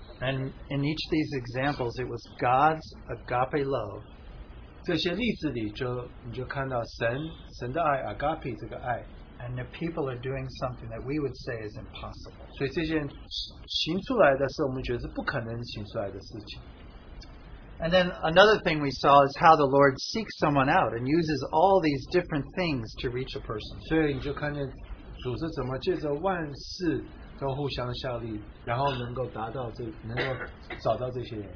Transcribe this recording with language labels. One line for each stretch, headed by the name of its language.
English: And in each of these examples, it was God's agape love.
Chinese: 这些例子里就你就看到神的爱 agape这个爱
English: and the people are doing something that we would say is impossible.
Chinese: 所以这些行出来的事我们觉得是不可能行出来的事情.
English: And then another thing we saw is how the Lord seeks someone out and uses all these different things to reach a person.
Chinese: 所以你就看见主是怎么借着万事 都互相效力，然后能够达到这，能够找到这些人。